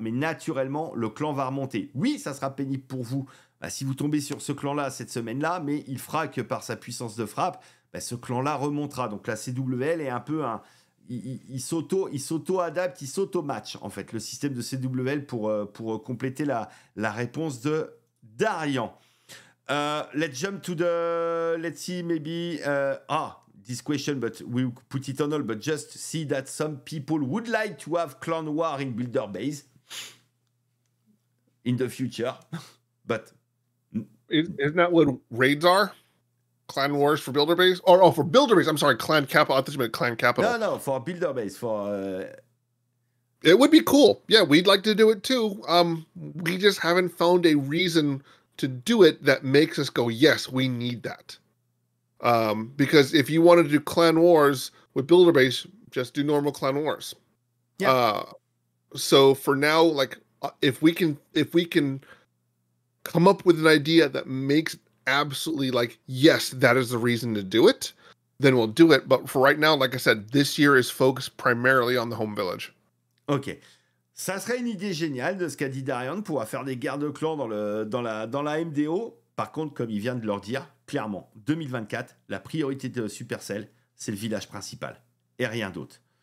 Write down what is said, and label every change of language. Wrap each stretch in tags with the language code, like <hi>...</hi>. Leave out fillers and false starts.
<fr>Mais naturellement, le clan va remonter. Oui, ça sera pénible pour vous bah, si vous tombez sur ce clan-là cette semaine-là, mais il fera que par sa puissance de frappe, bah, ce clan-là remontera. Donc la CWL est un peu un... Il s'auto-adapte, il s'auto-match, en fait, le système de CWL pour compléter la réponse de Darian.</fr> <en>Let's jump to the... Let's see, maybe... this question, but we put it on all, but just see that some people would like to have Clan War in Builder Base in the future, but... Isn't that what raids are? Clan Wars for Builder Base? Oh, for Builder Base, I'm sorry, Clan Capital. I thought you meant Clan Capital. No, for Builder Base, for... It would be cool. Yeah, we'd like to do it too. We just haven't found a reason to do it that makes us go, yes, we need that. Because if you wanted to do Clan Wars with Builder Base, just do normal Clan Wars. Yeah. So for now, like if we can come up with an idea that makes absolutely like, yes, that is the reason to do it, then we'll do it. But for right now, like I said, this year is focused primarily on the home village. Okay.</en> <fr>Ça serait une idée géniale de ce qu'a dit Darian, pour faire des guerres de clans dans la MDO. Par contre, comme il vient de leur dire, clairement, 2024, la priorité de Supercell, c'est le village principal et rien d'autre.</fr>